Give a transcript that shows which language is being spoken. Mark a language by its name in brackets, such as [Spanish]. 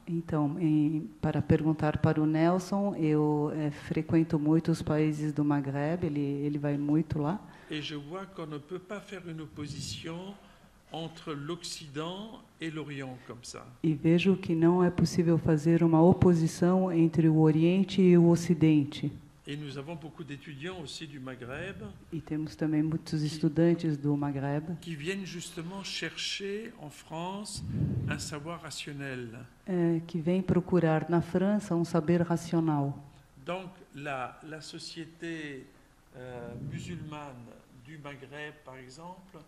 [Portuguese] Então, para perguntar para o Nelson, eu frequento muito os países do Maghreb, ele vai muito lá. [French] Et je vois qu'on ne peut pas faire une opposition entre l'Occident et l'Orient comme ça. [Portuguese] E vejo que não é possível fazer uma oposição entre o Oriente e o Ocidente. [French] Et nous avons beaucoup d'étudiants aussi du Maghreb. [Portuguese] E temos também muitos estudantes do Maghreb. [French] Qui viennent justement chercher en France un savoir rationnel. [Portuguese] Que vêm procurar na França um saber racional. [French] Donc la société musulmane du Maghreb par exemple.